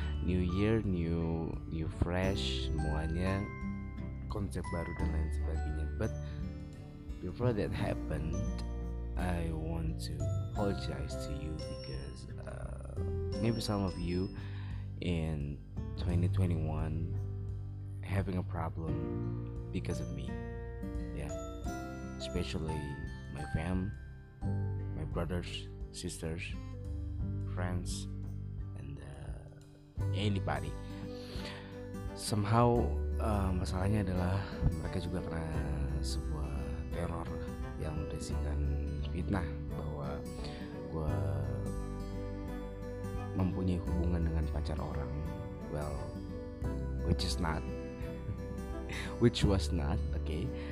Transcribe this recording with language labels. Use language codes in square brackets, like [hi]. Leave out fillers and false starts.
[id] New year, new fresh, semuanya konsep baru dan lain sebagainya. [en] But before that happened, I want to apologize to you because maybe some of you in 2021 having a problem because of me. Yeah, especially my fam, my brothers, sisters, friends, and anybody. [id] Somehow masalahnya adalah mereka juga kena sebuah teror yang berisikan fitnah bahwa gue mempunyai hubungan dengan pacar orang. [en] Well, which is not, which was not, okay.